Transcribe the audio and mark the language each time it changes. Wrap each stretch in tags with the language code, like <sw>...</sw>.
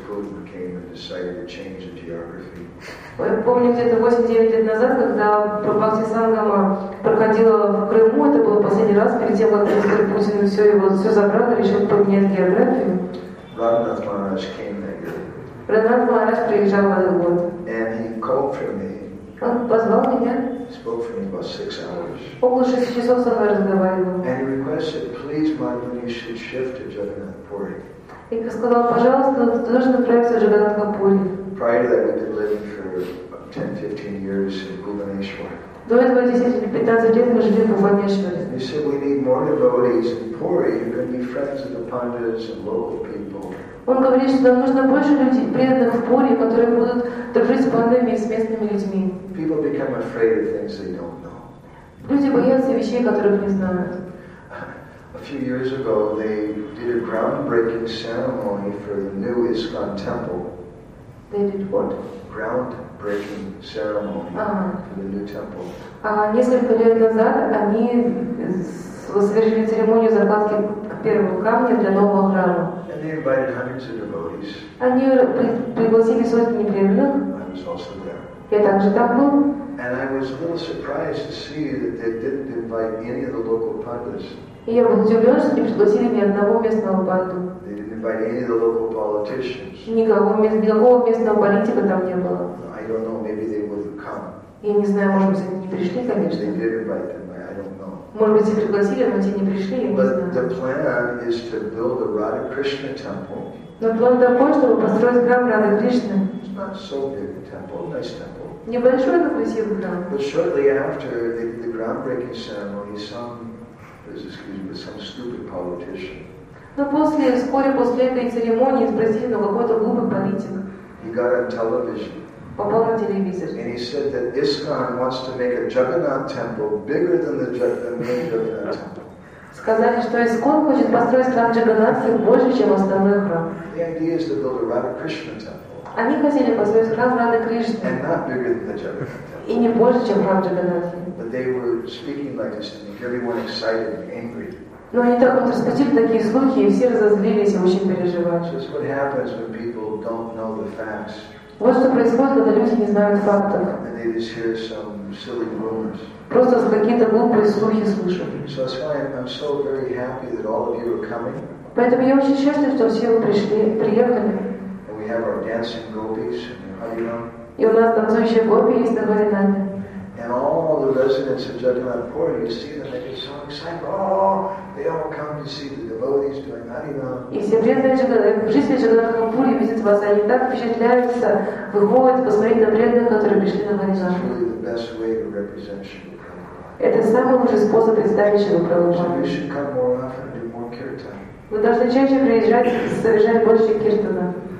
<en>Putin came and decided to change the geography. I</en> <ru>помню где-то 8-9 лет назад, когда Бхакти-сангха проходила в Крыму, это было последний раз перед тем, как Мистер Путин все его все забрал и решил поменять географию.</ru> <en>Раднат Махарадж came that year.</en> <ru>Раднат Махарадж приезжал в этот год.</ru> <en>And he called for me.</en> <ru>Он позвал меня.</ru> <en>Spoke for me about 6 hours.</en> <ru>Около 6 часов со мной разговаривал.</ru> <en>And he requested, please, Madhu, you should shift to Jagannath Puri.</en> <ru>И сказал, пожалуйста, ты должен отправиться в Джаганнатха Пури.</ru> <en>Prior to that, we've been living for 10-15 years in Bhubaneswar.</en> <ru>До этого 10-15 лет мы жили в Бхубанешваре.</ru> <en>He said, we need more devotees in Puri. You're going to be friends with the pandas and local people.</en> <ru>Он говорит, что нам нужно больше людей, преданных в Пури, которые будут дружить с пандами и с местными людьми.</ru> <en>People become afraid of things they don't know.</en> <ru>Люди боятся вещей, которых не знают.</ru> <en>A few years ago, they did a groundbreaking ceremony for the new ISKCON temple. They did what? Groundbreaking ceremony for the new temple.</en> <ru>Несколько лет назад они совершили церемонию закладки первого камня для нового храма.</ru> <en>And they invited hundreds of devotees.</en> <ru>Они пригласили сотни преданных.</ru> <en>I was also there.</en> <ru>Я также там был.</ru> <en>And I was a little surprised to see that they didn't invite any of the local pandas.</en> <ru>И я был удивлен, что не пригласили ни одного местного панду.</ru> <en>They didn't invite any of the local politicians.</en> <ru>Никакого местного политика там не было.</ru> <en>I don't know, maybe they wouldn't come.</en> <ru>Я не знаю, может быть, они не пришли, конечно.</ru> <en>They did invite them, I don't know.</en> <ru>Может быть, и пригласили, но те не пришли, я не</ru> <en>But</en> <ru>знаю.</ru> <en>The plan is to build a Radha Krishna temple.</en> <ru>Но план такой, чтобы построить храм Радха Кришны.</ru> <en>It's not so big a temple, a nice temple.</en> <ru>Небольшой, но красивый храм.</ru> <en>But shortly after the groundbreaking ceremony, some stupid politician.</en> <ru>Но после, вскоре после этой церемонии спросили, какой-то глупый политик.</ru> <en>He got on television.</en> <ru>Попал на телевизор.</ru> <en>And he said that ISKCON wants to make a Jagannath temple bigger than the main Jagannath temple.</en> <ru>Сказали, что ИСКОН хочет построить храм Джаганнатхи больше, чем остальной храм.</ru> <en>The idea is to build a Radha Krishna temple.</en> <ru>Они хотели построить храм Радхи Кришны.</ru> <en>And not bigger than the Jagannath temple.</en> <ru>И не больше, чем храм Джаганнатхи.</ru> <en>But they were speaking like this, and everyone excited and angry.</en> <ru>Но они так вот распустили такие слухи, и все разозлились и очень переживали.</ru> <en>This is what happens when people don't know the facts.</en> <ru>Вот что происходит, когда люди не знают фактов.</ru> <en>And they just hear some silly rumors.</en> <ru>Просто какие-то глупые слухи слушали.</ru> <en>So that's why I'm so very happy that all of you are coming.</en> <ru>Поэтому я очень счастлив, что все вы пришли, приехали.</ru> <en>And we have our dancing gopis in Hariram.</en> <ru>И у нас танцующие гопи есть на Харинаме.</ru> <en>And all the residents of Jagannathpur, you see them, they get so excited. Oh, they all come to see the devotees doing Harinam.</en> <ru>И все жители Джаганатхапури видят вас, они так впечатляются, выходят посмотреть на преданных, которые пришли на Харинаме. Это самый лучший способ представить Шилу Прабхупаду. Вы должны чаще приезжать и совершать больше киртана.</ru>